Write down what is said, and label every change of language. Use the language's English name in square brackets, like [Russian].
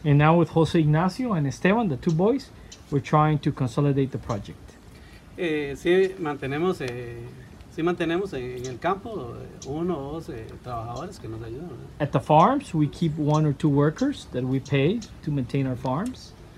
[English] And now with José Ignacio and Esteban, the two boys, we're trying to consolidate the project. [Spanish] Sí mantenemos en el campo uno o dos trabajadores que nos ayudan. [English] At the farms, we keep one or two workers that we pay to maintain our farms.